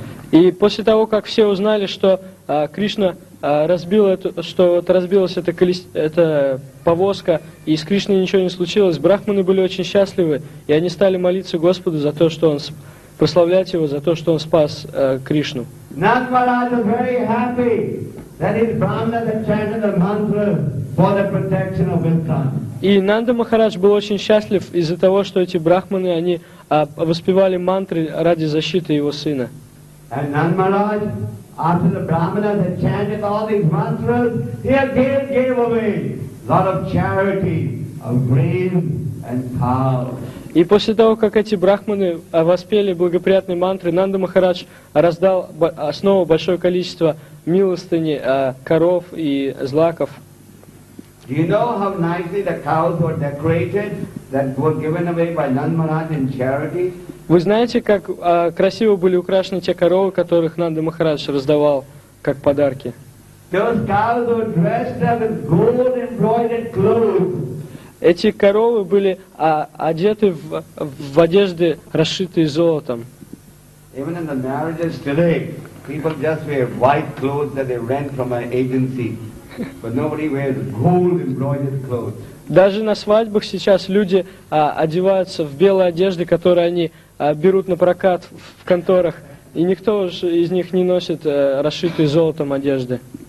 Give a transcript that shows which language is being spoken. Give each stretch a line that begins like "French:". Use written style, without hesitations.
Russian: И после того, как все узнали, что Кришна разбилась эта повозка, и с Кришной ничего не случилось, брахманы были очень счастливы, и они стали молиться Господу за то, что прославлять его за то, что он спас Кришну.
English: Натвараджа was very happy that his brahmanas had chanted the mantra for the protection of his son.
Russian: И Нанда Махарадж был очень счастлив из-за того, что эти брахманы, они воспевали мантры ради защиты его сына.
English: And Nanda Maharaj, after the brahmanas had chanted all these mantras, he again gave away a lot of charity, of grain and cow.
Russian: И после того, как эти брахманы воспели благоприятные мантры, Нанда Махарадж раздал снова большое количество милостыни коров и злаков.
English: Do you know how nicely the cows were decorated that were given away by Nanda Maharaj in charity?
Russian: Вы знаете, как красиво были украшены те коровы, которых Нанда Махарадж раздавал как подарки?
English: Those cows were dressed up in gold embroidered clothes.
Russian: Эти коровы были одеты в одежды, расшитые золотом.
English: Even in the marriages today, people just wear white clothes that they rent from an agency. But nobody wears gold embroidered clothes.
Russian: Даже на свадьбах сейчас люди одеваются в белые одежды, которые они берут на прокат в конторах, и никто уж из них не носит расшитые золотом одежды.